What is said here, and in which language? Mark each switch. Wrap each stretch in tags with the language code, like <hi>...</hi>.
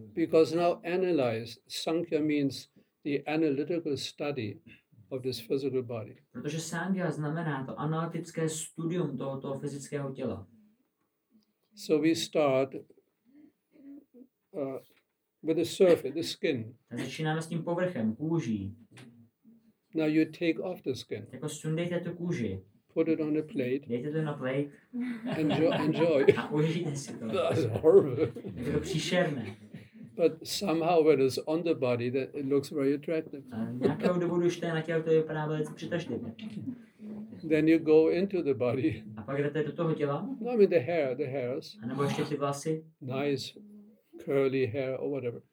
<en>Because now analyze, Sankhya means the analytical study of this physical body.</en> <cs>Protože Sankhya znamená to analytické studium tohoto fyzického těla.</cs> <en>So we start with the surface, the skin.</en> <cs>Tak začínáme s tím povrchem, kůží.</cs> <en>Now you take off the skin.</en> <cs>Jako sundejte tu kůži.</cs> <en>Put it on a plate.</en> <cs>Dejte to na plate.</cs> <en>Enjoy.</en> <cs>A užijte si to.</cs> <en>That's horrible.</en> <cs>Je to příšerné.</cs> <en>But somehow when it's on the body, that it looks very attractive.</en> <cs>A nějakou dobu, když to je na těle, to vypadá velice přitažlivě.</cs> <en>Then you go into the body.</en> <cs>A pak jdete do toho těla.</cs> <en>No, I mean the hairs.</en> <cs>A nebo ještě ty vlasy.</cs> <en>Nice curly hair or whatever.</en>